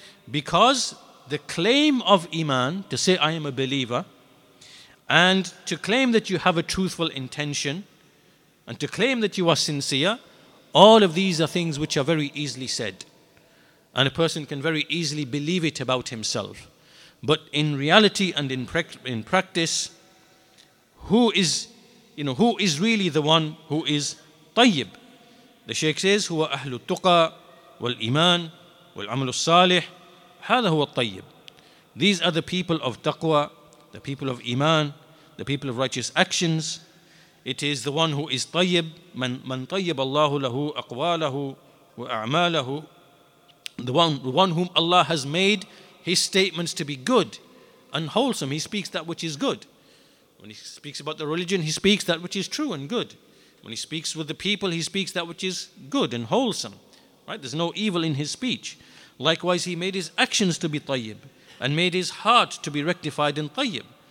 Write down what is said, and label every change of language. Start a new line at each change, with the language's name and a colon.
English: Because the claim of iman, to say I am a believer, and to claim that you have a truthful intention, and to claim that you are sincere, all of these are things which are very easily said. And a person can very easily believe it about himself. But in reality and in practice, who is really the one who is tayyib? The Shaykh says,
Arabic: هو أهل التقى والإيمان والعمل الصالح هذا هو الطيب.
English: These are the people of taqwa, the people of iman, the people of righteous actions. It is the one who is tayyib.
Arabic: من طيب الله له أقواله وأعماله.
English: The one whom Allah has made his statements to be good and wholesome. He speaks that which is good. When he speaks about the religion, he speaks that which is true and good. When he speaks with the people, he speaks that which is good and wholesome. Right? There's no evil in his speech. Likewise, he made his actions to be tayyib and made his heart to be rectified in tayyib.